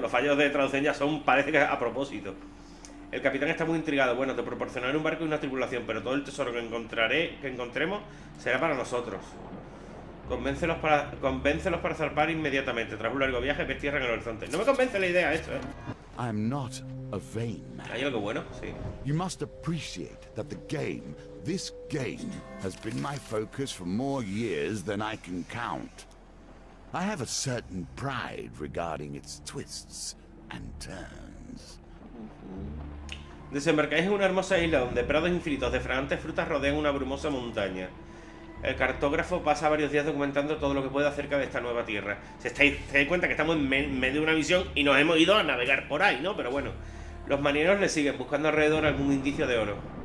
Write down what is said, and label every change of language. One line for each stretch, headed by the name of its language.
Spanish: Los fallos de traducción ya son, parece que a propósito. El capitán está muy intrigado. Bueno, te proporcionaré un barco y una tripulación, pero todo el tesoro que encontraré, que encontremos, será para nosotros. Convéncelos para zarpar inmediatamente. Tras un largo viaje, ves tierra en el horizonte. No me convence la idea esto,
English: I am not a vain man.
Spanish: ¿Hay algo bueno? Sí.
English: You must appreciate that the game, this game, has been my focus for more years than I can count. I have a certain pride regarding its twists and turns.
Spanish: Desembarcáis en una hermosa isla donde prados infinitos de fragantes frutas rodean una brumosa montaña. El cartógrafo pasa varios días documentando todo lo que puede acerca de esta nueva tierra. Se dais cuenta que estamos en medio de una misión y nos hemos ido a navegar por ahí, ¿no? Pero bueno, los marineros le siguen buscando alrededor algún indicio de oro.